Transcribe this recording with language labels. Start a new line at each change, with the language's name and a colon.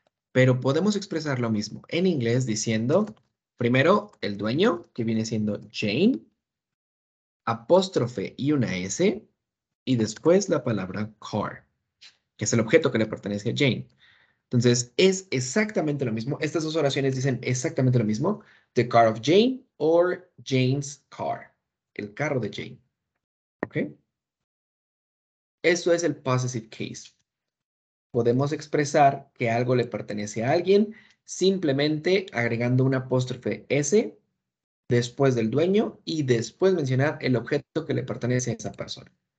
Spanish: Pero podemos expresar lo mismo en inglés diciendo, primero, el dueño, que viene siendo Jane, apóstrofe y una S, y después la palabra car. Que es el objeto que le pertenece a Jane. Entonces, es exactamente lo mismo. Estas dos oraciones dicen exactamente lo mismo.
English: The car of Jane or Jane's car.
Spanish: El carro de Jane. ¿Ok? Eso es el possessive case. Podemos expresar que algo le pertenece a alguien simplemente agregando un apóstrofe S después del dueño y después mencionar el objeto que le pertenece a esa persona.